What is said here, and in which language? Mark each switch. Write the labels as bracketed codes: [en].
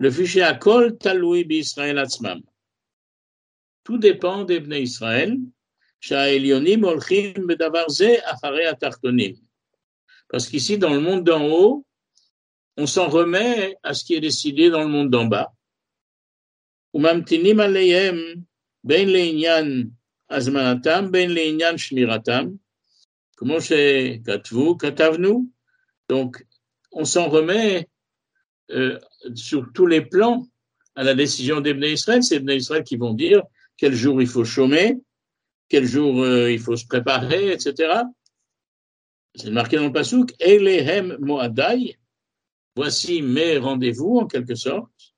[fr] Le fichier « [he] Akol taloui b'Israël atzmam ». [fr] Tout dépend des Bnei Israël. « [he] Sha'elionim olchim bedavar ze acharei atartonim ». [fr] Parce qu'ici, dans le monde d'en haut, on s'en remet à ce qui est décidé dans le monde d'en bas. [he] וממתינים עליהם בין לעניין הזמנתם, בין לעניין שמירתם, כמו שכתבו, כתבנו. [fr] Donc, on s'en remet sur tous les plans à la décision des Bnei Israël. C'est Bnei Israël qui vont dire quel jour il faut chômer, quel jour il faut se préparer, etc. C'est marqué dans le pasouk, « [he] Elehem mo'adai [fr] », voici mes rendez-vous en quelque sorte.